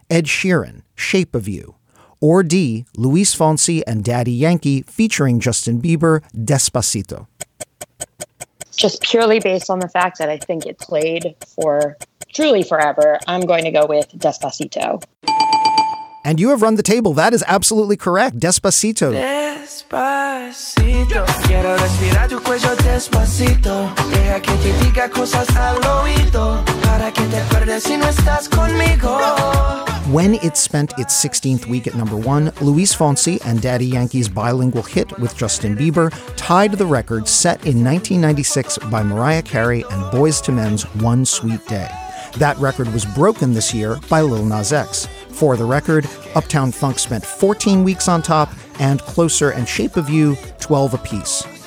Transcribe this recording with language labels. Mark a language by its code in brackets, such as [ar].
[en] Ed Sheeran, Shape of You. Or D, Luis Fonsi and Daddy Yankee featuring Justin Bieber, Despacito. Just purely based on the fact that I think it played for truly forever, I'm going to go with Despacito. And you have run the table. That is absolutely correct. Despacito. Despacito. [es] Quiero respirar tu cuello despacito. Deja que te diga cosas al oído. Para que te acuerdes si no estás conmigo. [en] When it spent its 16th week at number one, Luis Fonsi and Daddy Yankee's bilingual hit with Justin Bieber tied the record set in 1996 by Mariah Carey and Boyz II Men's One Sweet Day. That record was broken this year by Lil Nas X. For the record, Uptown Funk spent 14 weeks on top, and Closer and Shape of You, 12 apiece.